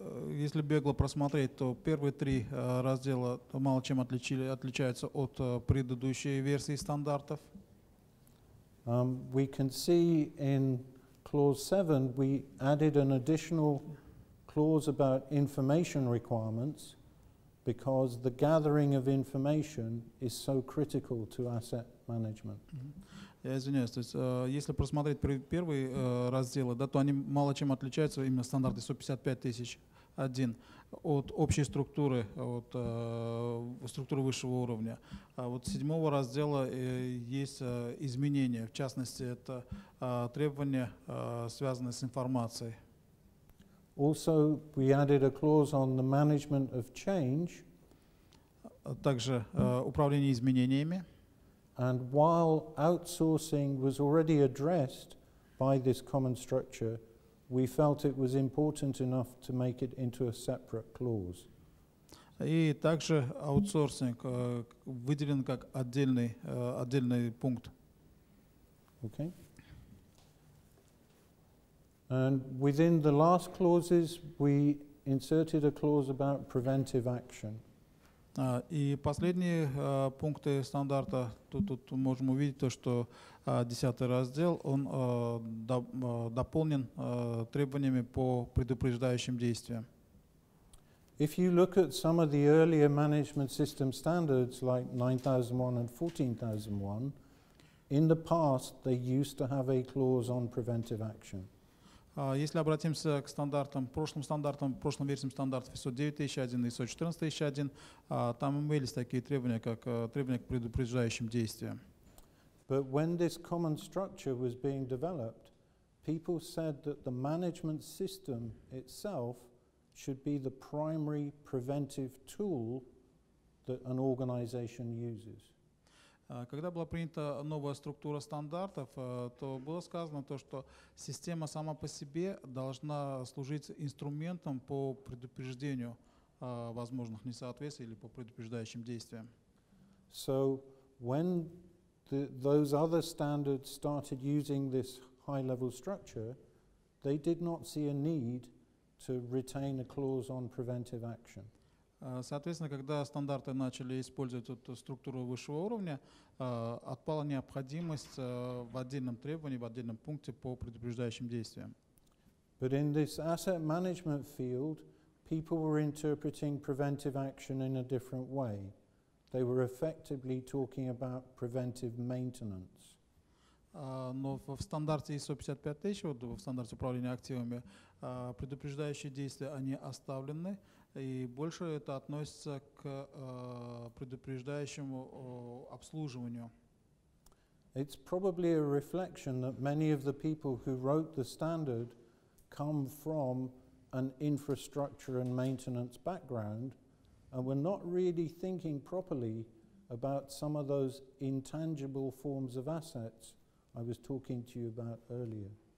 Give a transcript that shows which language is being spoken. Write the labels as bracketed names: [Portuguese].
[Russian] Если бегло просмотреть, то первые три раздела мало чем отличаются от предыдущей версии стандартов. [English] We can see in clause 7 we added an additional clause about information requirements because the gathering of information is so critical to asset management. [Russian] Я извиняюсь, то есть если просмотреть первые разделы, да, то они мало чем отличаются, именно стандарты 155001 от общей структуры, от структуры высшего уровня. А вот седьмого раздела есть изменения, в частности, это требования, связанные с информацией. [English] Also, we added a clause on the management of change. [Russian] Также управление изменениями. [English] And while outsourcing was already addressed by this common structure, we felt it was important enough to make it into a separate clause. [Russian] И также аутсорсинг выделен как отдельный пункт. [English] Okay. And within the last clauses, we inserted a clause about preventive action. [Russian] И последние пункты стандарта, тут можем увидеть то, что десятый раздел, он дополнен требованиями по предупреждающим действиям. [English] If you look at some of the earlier management system standards, like 9001 and 14001, in the past they used to have a clause on preventive action. [Russian] Если обратимся к стандартам, прошлым версиям стандартов ISO 9001 и ISO 14001, там имелись такие требования, как требования к предупреждающим действиям. [English] But when this common structure was being developed, people said that the management system itself should be the primary preventive tool that an organization uses. [Russian] Когда была принята новая структура стандартов, то было сказано то, что система сама по себе должна служить инструментом по предупреждению возможных несоответствий или по предупреждающим действиям. [English] So when those other standards started using this high-level structure, they did not see a need to retain a clause on preventive action. [Russian] Соответственно, когда стандарты начали использовать эту структуру высшего уровня, отпала необходимость в отдельном требовании, в отдельном пункте по предупреждающим действиям. [English] But in this asset management field, people were interpreting preventive action in a different way. They were effectively talking about preventive maintenance. [Russian] Но в стандарте ISO55001, вот в стандарте управления активами, предупреждающие действия, они оставлены, и больше это относится к предупреждающему обслуживанию. [English] It's probably a reflection that many of the people who wrote the standard come from an infrastructure and maintenance background, and were not really thinking properly about some of those intangible forms of assets I was talking to you about earlier.